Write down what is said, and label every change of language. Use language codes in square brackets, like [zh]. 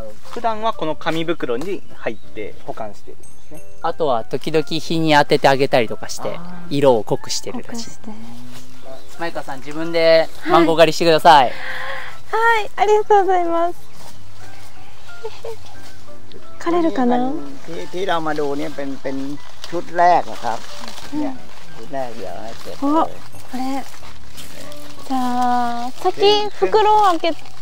[ja] 普段はこの紙袋に入って保管してるんですね。あとは時々日に当ててあげたりとかして色を濃くしてるらしい。マイカさん、自分でマンゴー狩りしてください。はい、ありがとうございます。枯れるかな。 [th] ที่เรามาดูเนี่ยเป็นชุดแรกนะครับชุดแรกเดี๋ยวให้เก็บ [ja] โอ้ これじゃあ先袋を開け